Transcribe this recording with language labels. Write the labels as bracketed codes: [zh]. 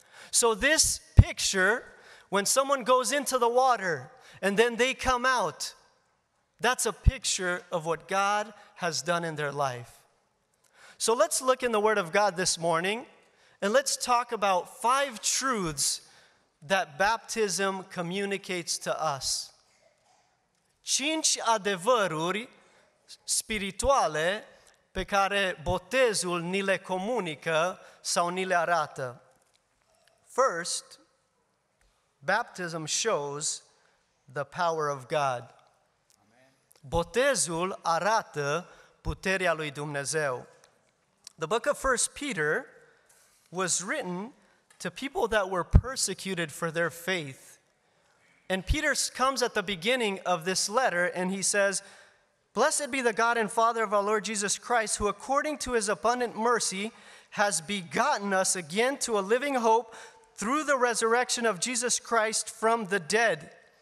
[en] So this picture, when someone goes into the water and then they come out, that's a picture of what God has done in their life. So let's look in the Word of God this morning and let's talk about five truths that baptism communicates to us. [ro] Cinci adevăruri spirituale pe care botezul ni le comunică sau ni le arată. [en] First, baptism shows the power of God. Amen. [ro] Botezul arată puterea lui Dumnezeu. [en] The book of 1 Peter was written to people that were persecuted for their faith. And Peter comes at the beginning of this letter and he says, Blessed be the God and Father of our Lord Jesus Christ, who according to his abundant mercy has begotten us again to a living hope through the resurrection of Jesus Christ from the dead.